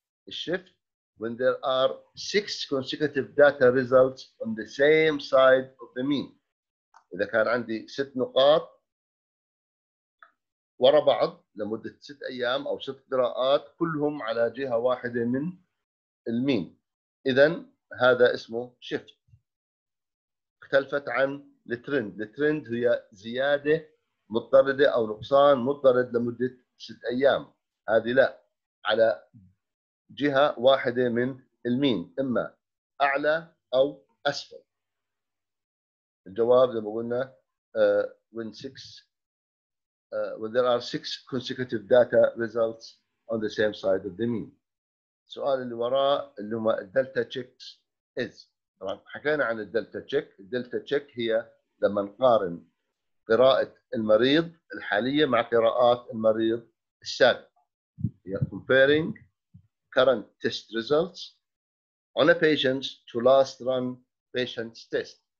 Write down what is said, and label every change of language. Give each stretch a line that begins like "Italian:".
English: Shift when there are 6 consecutive data results on the same side of the mean.
Arabic: إذا كان عندي 6 نقاط وراء بعض لمدة 6 أيام أو 6 قراءات كلهم على جهة واحدة من المين. إذن هذا اسمه shift. اختلفت عن الترند. الترند هي زيادة مضطردة أو نقصان مضطرد لمدة 6 أيام. هذه لا. على جهة واحدة من المين، إما أعلى أو أسفل. الجواب زي ما قلنا
English: when six when there are six consecutive data results on the same side of the mean.
Arabic: السؤال اللي وراء اللي هو الدلتا checks is. طبعاً حكينا عن الدلتا check. الدلتا check هي لما نقارن قراءة المريض الحالية مع قراءات المريض السابق.
English: هي comparing current test results on a patient to last run patient's test.